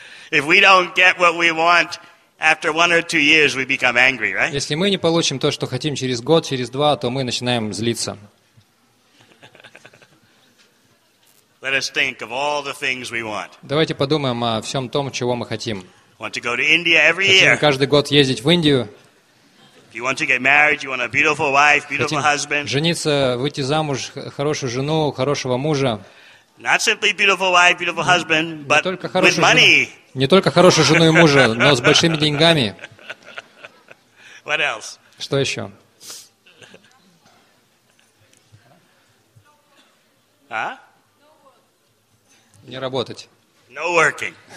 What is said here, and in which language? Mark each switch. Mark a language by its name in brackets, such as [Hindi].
[English] If we don't get what we want after one or two years, we become angry, right? [Russian] Если мы не получим то, что хотим через год, через два, то мы начинаем злиться. [English] Let us think of all the things we want. [Russian] Давайте подумаем о всем том, чего мы хотим. [English] Want to go to India every year? [Russian] Хотим каждый год ездить в Индию. [English] If you want to get married, you want a beautiful wife, beautiful husband. [Russian] Жениться, выйти замуж, хорошую жену, хорошего мужа. [English] Not simply beautiful wife, beautiful husband, but with money. [Russian] Не только хорошую жену и мужа, но с большими деньгами. [English] What else? [Russian] Что еще? А? Не работать. [English] No working.